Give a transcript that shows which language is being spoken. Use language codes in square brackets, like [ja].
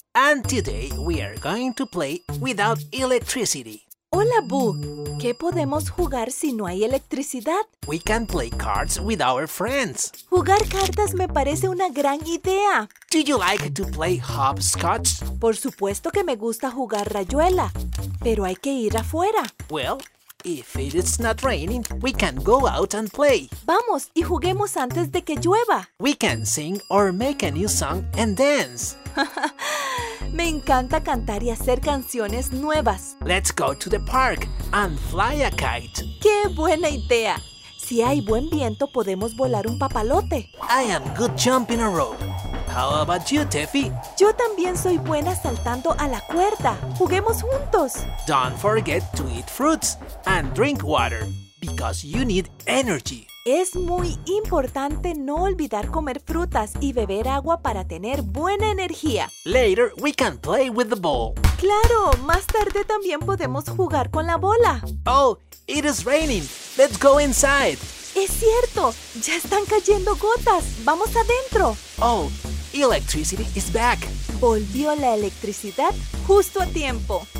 [en] And today we are going to play without electricity. [es] Hola, Boo. ¿Qué podemos jugar si no hay electricidad? [en] We can play cards with our friends. [es] Jugar cartas me parece una gran idea. [en] Do you like to play hopscotch? [es] Por supuesto que me gusta jugar rayuela, pero hay que ir afuera. [en] Well, if it is not raining, we can go out and play. [es] Vamos y juguemos antes de que llueva. [en] We can sing or make a new song and dance. [es] Me encanta cantar y hacer canciones nuevas. [en] Let's go to the park and fly a kite. [es] ¡Qué buena idea! Si hay buen viento, podemos volar un papalote. [en] I am good jumping a rope. How about you, Teffy? [es] Yo también soy buena saltando a la cuerda. ¡Juguemos juntos! [en] Don't forget to eat fruits and drink water because you need energy. [es] Es muy importante no olvidar comer frutas y beber agua para tener buena energía. [en] Later, we can play with the ball. [es] ¡Claro! Más tarde también podemos jugar con la bola. [en] Oh, it is raining. Let's go inside. [es] ¡Es cierto! ¡Ya están cayendo gotas! ¡Vamos adentro! [en] Oh, electricity is back. [es] Volvió la electricidad justo a tiempo.